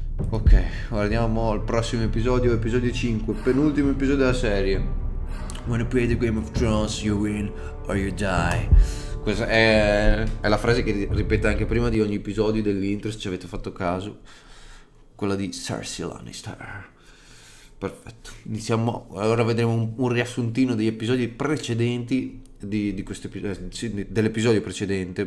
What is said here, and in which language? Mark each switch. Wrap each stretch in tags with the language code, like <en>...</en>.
<it>Ok, guardiamo al prossimo episodio, episodio 5, penultimo episodio della serie.</it> <en>When you play the Game of Thrones, you win or you die.</en> <it>Questa è la frase che ripete anche prima di ogni episodio dell'intro, se ci avete fatto caso. Quella di Cersei Lannister. Perfetto. Iniziamo, ora vedremo un riassuntino degli episodi precedenti di questo episodio, dell'episodio precedente.</it>